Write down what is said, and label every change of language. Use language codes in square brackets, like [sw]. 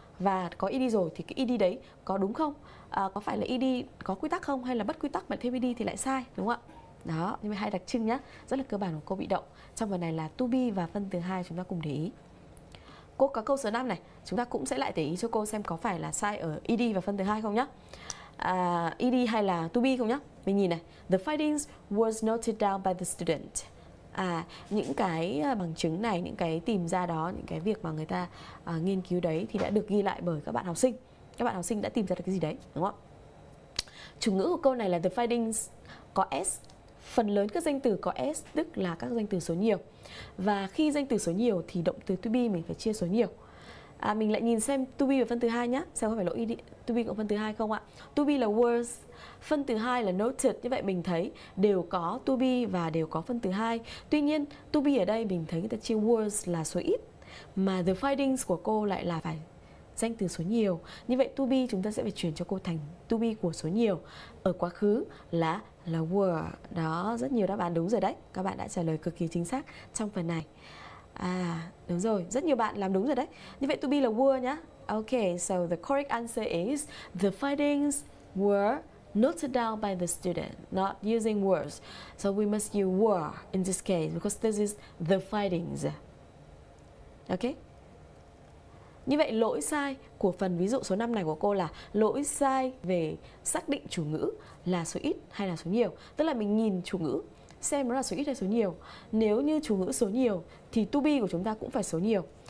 [vi] Và có ed rồi thì cái ed đấy có đúng không, có phải là ed có quy tắc không, hay là bất quy tắc mà thêm ed thì lại sai, đúng không ạ? Đó, nhưng mà hai đặc trưng nhá, rất là cơ bản của câu bị động. Trong phần này là to be và phân từ hai chúng ta cùng để ý. Cô có câu số 5 này, chúng ta cũng sẽ lại để ý cho cô xem có phải là sai ở ed và phân từ 2 không nhé. ED hay là to be không nhé. Mình nhìn này, [en] the findings was noted down by the student. [vi] Những cái bằng chứng này, những cái tìm ra đó, những cái việc mà người ta nghiên cứu đấy thì đã được ghi lại bởi các bạn học sinh. Các bạn học sinh đã tìm ra được cái gì đấy, đúng không? Chủ ngữ của câu này là the findings có S. Phần lớn các danh từ có S, tức là các danh từ số nhiều. Và khi danh từ số nhiều thì động từ to be mình phải chia số nhiều. Mình lại nhìn xem to be và phân từ 2 nhé, xem có phải lỗi to be cộng phân từ 2 không ạ. To be là was, phân từ 2 là noted. Như vậy mình thấy đều có to be và đều có phân từ 2. Tuy nhiên to be ở đây mình thấy người ta chia was là số ít, mà the findings của cô lại là phải danh từ số nhiều. Như vậy to be chúng ta sẽ phải chuyển cho cô thành to be của số nhiều. Ở quá khứ là were. Đó, rất nhiều đáp án đúng rồi đấy. Các bạn đã trả lời cực kỳ chính xác trong phần này. À, đúng rồi, rất nhiều bạn làm đúng rồi đấy. Như vậy to be là were nhá. [en] Okay, so the correct answer is the findings were noted down by the student, not using words. So we must use were in this case because this is the findings. Okay? [vi] Như vậy lỗi sai của phần ví dụ số 5 này của cô là lỗi sai về xác định chủ ngữ là số ít hay là số nhiều. Tức là mình nhìn chủ ngữ xem nó là số ít hay số nhiều. Nếu như chủ ngữ số nhiều thì to be của chúng ta cũng phải số nhiều.